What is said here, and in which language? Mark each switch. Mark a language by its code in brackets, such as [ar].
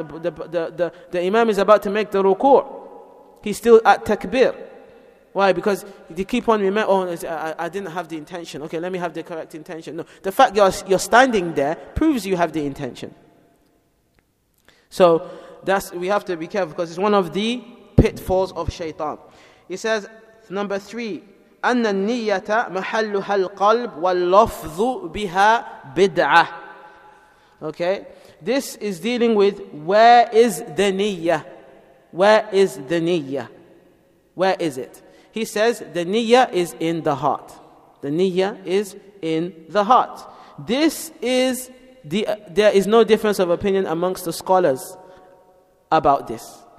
[en] The imam is about to make the ruku', he's still at takbir. Why? Because they keep on remembering, oh, I didn't have the intention. Okay, let me have the correct intention. No, the fact you're standing there proves you have the intention. So that's, we have to be careful, because it's one of the pitfalls of shaitan. He says, number three, [ar] أَنَّ النِّيَّةَ مَحَلُّهَا الْقَلْبُ وَاللَّفْظُ بِهَا بِدْعَةً. [en] Okay, this is dealing with where is the niyyah? Where is the niyyah? Where is it? He says, the niyyah is in the heart. The niyyah is in the heart. This is, there is no difference of opinion amongst the scholars about this.